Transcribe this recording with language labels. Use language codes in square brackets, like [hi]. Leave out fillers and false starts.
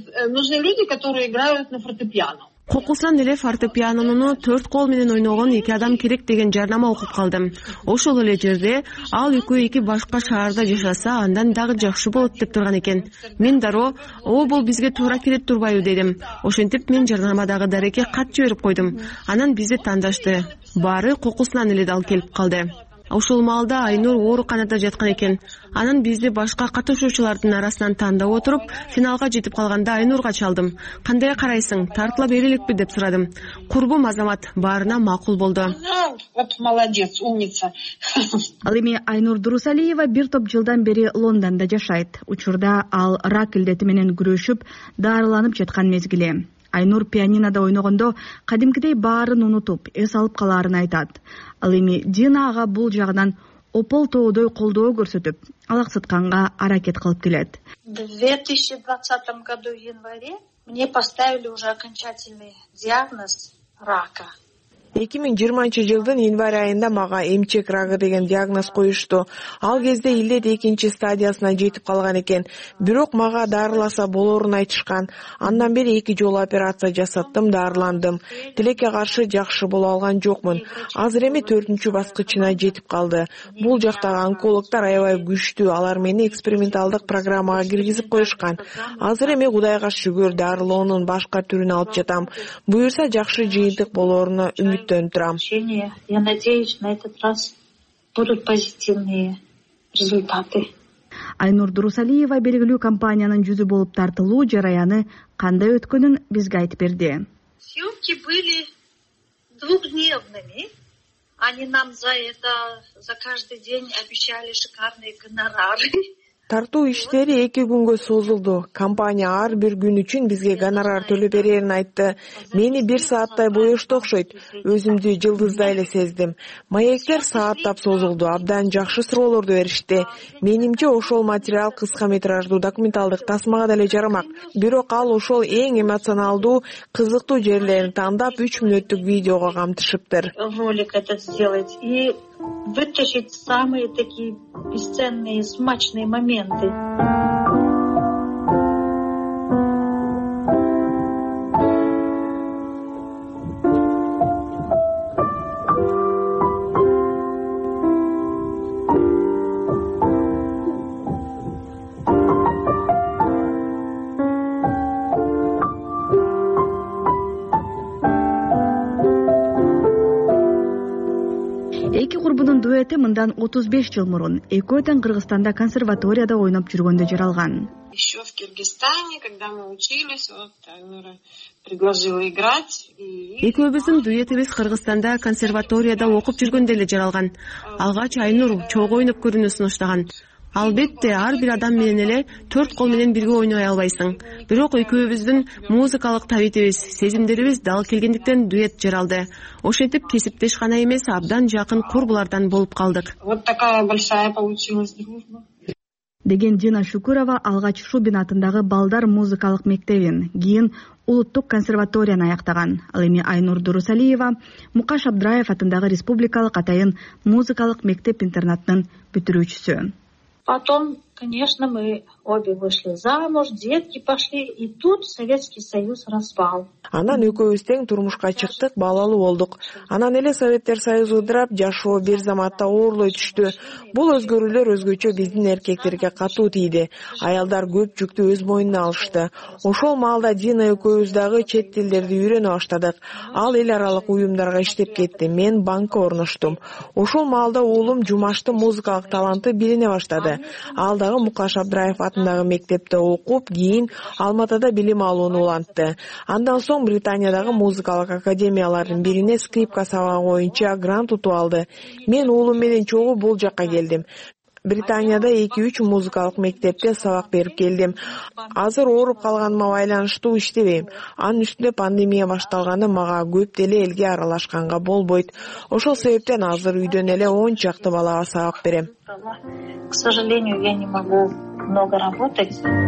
[ru] Нужны люди, которые играют на фортепиано. [ky] Кокусан эле фортепианонуну 4 кол менен ойногон 2 адам керек деген жарнама окуп калдым. Ошол эле жерде ал экөө эки башка шаарда жашаса, андан дагы жакшы болот деп турган экен. Мен дароо, "Оо, бул бизге туура келет турбайбы?" дедим. Ошентип мен жарнамадагы дареке кат жиберип койдум. Анан бизди тандашты. Баары кокусан эле дал келип калды. Ошол маалда Айнур ооруканада жаткан экен. Анан бизди башка катышуучулардын арасынан тандап отуруп, финалга жетип калганда Айнурга чалдым. Кандай карайсың, тартыла берилекпи деп сурадым. Курбум Азамат баарына макул болду. [ru] Вот молодец, умница. [ky] Ал эми Айнур Дурусалиева бир топ жылдан бери Лондондо жашайт. Учурда ал рак илдети менен күрөшүп, дарыланып жаткан мезгили. Айнур пианинодо ойногондо кадимкидей баарын унутуп, эс алып калаарын айтат. Ал эми Дина ага бул жагынан опол тоодой колдоо көрсөтүп, алаксытканга аракет кылып келет. [ru] 2020 году в январе мне поставили уже окончательный диагноз рака. [ky] 2020 жылдын январь айында мага эмчек рагы деген диагноз коюшту. Ал кезде илдет экинчи стадиясына жетип калган экен. Бирок мага дарыласа болорун айтышкан. Андан бери 2 жолу операция жасаттым, дарыландым. Тилекке каршы жакшы боло алган жокмун. Азыр эми 4-чү баскычына жетип калды. Бул жактагы онкологтор аябай күчтүү. Алар мени эксперименталдык программага киргизип коюшкан. Азыр эми Кудайга шүгүр, дарылоонун башка түрүн алып жатам. Буюрса жакшы жыйынтык болоруна [ru] Я надеюсь, на этот раз будут позитивные результаты. [ky] Айнур Дурусалиева белгилүү компаниянын жүзү болуп тартылуу жараяны кандай өткөнүн бизге айтып берди. [ru] Съемки были двухдневными. Они нам за это, за каждый день обещали шикарные гонорары. [ky] Тартуу иштери 2 күнгө созулду. Компания ар бир күн үчүн бизге гонорар төлөп берерин айтты. Мени 1 сааттай боёшту окшойт. Өзүмдү жылдыздай эле сездим. Маектер сааттап созулду, абдан жакшы суроолорду беришти. Менимче ошол материал кыска метраждуу документалдык тасмага деле жарамак. Бирок ал ошол эң эмоционалдуу, кызыктуу жерлерин тандап 3 мүнөттүк видеого камтышыптыр. [ru] Ролик этот сделать и вытащить самые такие бесценные, смачные моменты. [ky] Дуэти мындан 35 жыл мурун экөө тең Кыргызстанда консерваторияда ойноп жүргөндө жаралган. [ru] Еще в Кыргызстане, когда мы учились, вот Айнура предложила играть. [ky] Экөөбүздүн дуэтибиз Кыргызстанда консерваторияда окуп жүргөндө эле жаралган. Алгач Айнур чогуу ойноп көрүүнү сунуштаган. Албетте, ар бир адам менен эле 4 кол менен бирге ойной албайсың. Бирок экөөбүздүн музыкалык табитибиз, сезимдерибиз дал келгендиктен дуэт жаралды. Ошентип кесиптеш гана эмес, абдан жакын курбулардан болуп калдык. [ru] Вот такая большая получилась дружба. [ky] Деген Дина Шүкүрова алгач Шубин атындагы балдар музыкалык мектебин, кийин улуттук консерваторияны аяктаган. Ал эми Айнур Дурусалиева Мукаш Абдраев атындагы республикалык атайын музыкалык мектеп интернатынын бүтүрүүчүсү. [ru] Потом, конечно, мы обе вышли замуж, детки пошли, и тут Советский Союз распал. [ky] Анан экөөбүз тең турмушка чыктык, балалуу болдук. Анан эле Советтер Союзу ыдырап, жашоо бир заматта оорлой түштү. Бул өзгөрүүлөр өзгөчө биздин эркектерге катуу тийди. Аялдар көп жүктү өз мойнуна алышты. Ошол маалда Дина экөөбүз дагы чет тилдерди үйрөнө баштадык. Ал эл аралык уюмдарга иштеп кетти, мен банкка орноштум. Ошол маалда уулум Жумаштын музыкалык таланты билине баштады. Ал дагы Мукаш Абдраев атындагы мектепте окуп, кийин Алматыда билим алууну улантты. Андан соң Британиядагы музыкалык академиялардын бирине скрипка сабагы боюнча грант утуп алды. Мен уулум менен чогуу бул жакка келдим. Британияда 2-3 музыкалык мектепте сабак берип келдим. Азыр ооруп калганыма байланыштуу иштебейм. Анын үстүнө пандемия башталганы мага көп деле элге аралашканга болбойт. Ошол себептен азыр үйдөн эле 10 чакты балага сабак берем. [ru] К сожалению, я не могу много работать.